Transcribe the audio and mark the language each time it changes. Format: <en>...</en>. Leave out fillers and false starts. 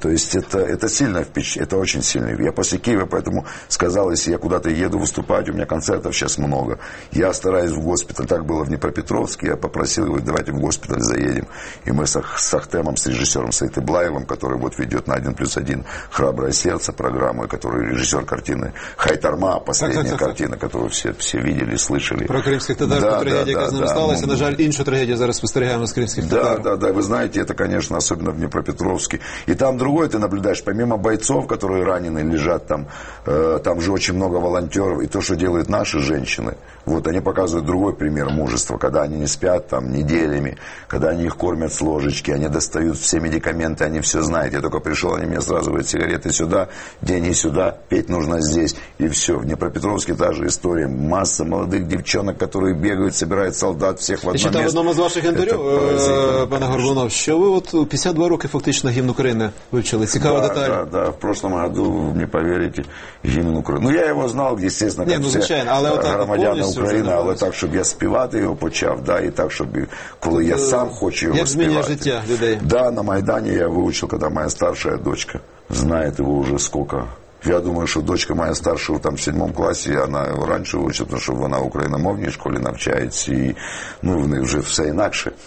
<ru>То есть это сильно впечатляет, это очень сильно. Я после Киева, поэтому сказал, если я куда-то еду выступать, у меня концертов сейчас много, я стараюсь в госпиталь, так было в Днепропетровске, я попросил, говорю, давайте в госпиталь заедем, и мы с Ахтемом, с режиссером Сайтыблаевым, который вот ведет на 1+1 «Храброе сердце» программу, который режиссер картины «Хайтарма», последняя картина, которую все видели или слышали.</ru> <uk>Про кримських татар, да, трагедія, да, яка з ними сталася. На жаль, іншу трагедію зараз спостерігаємо з кримських татар. Да. Ви знаєте, це, звісно, особливо в Дніпропетровській. І там другое ти наблюдаєш. Помимо бойців, які ранені, лежать там, там вже дуже багато волонтерів. І те, що роблять наші жінки,</uk> <ru>вот, они показывают другой пример мужества, когда они не спят там неделями, когда они их кормят с ложечки, они достают все медикаменты, они все знают. Я только пришел, они мне сразу говорят, сигареты сюда, деньги сюда, петь нужно здесь, и все. В Днепропетровске та же история. Масса молодых девчонок, которые бегают, собирают солдат всех в одно место. Я читал в одном из ваших интервью, пане Горбунов, что вы вот 52 года фактически гимн Украины выучили.</ru> <uk>Цікава деталь.</uk> <ru>Да. В прошлом году, вы мне поверите, гимн Украины. Ну, я его знал, естественно, как все громадяне</ru> <uk>Украина, але так, щоб я співати його почав, да, і так, щоб коли я сам хочу його як співати. Як змінює життя людей? Да, на Майдані я вивчив, коли моя старша дочка знає його вже скільки. Я думаю, що дочка моя старша там в 7 класі, вона раніше вивчила, тому що вона в україномовній школі навчається, і ну, в них вже все інакше.</uk>